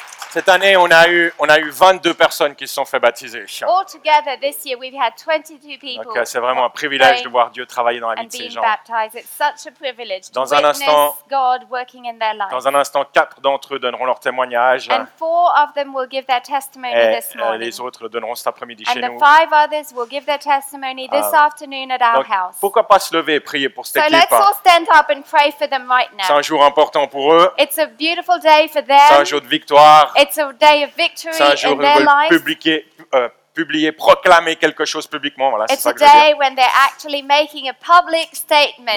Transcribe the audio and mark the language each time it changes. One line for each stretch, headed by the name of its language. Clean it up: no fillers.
French: Cette année, on a eu 22 personnes qui se sont fait baptiser.
English: All together this year, we've had 22 people.
French: Donc, c'est vraiment un privilège de voir Dieu travailler dans la vie de ces gens.
English: Baptized. It's such a privilege to witness God working in their life.
French: Dans un instant, 4 d'entre eux donneront leur témoignage.
English: And 4 of them will give their testimony this morning.
French: Et les autres donneront cet après-midi chez nous.
English: And the 5 others will give their testimony this afternoon at our house.
French: Pourquoi pas se lever et prier pour cette équipe?
English: So let's all stand up and pray for them right now.
French: C'est un jour important pour eux.
English: It's a beautiful day for them.
French: C'est un jour de victoire.
English: It's a day of victory in their lives.
French: C'est un jour où ils veulent publier, proclamer quelque chose publiquement. Voilà, c'est ça que je veux dire.
English: It's a day when they're actually making a public statement.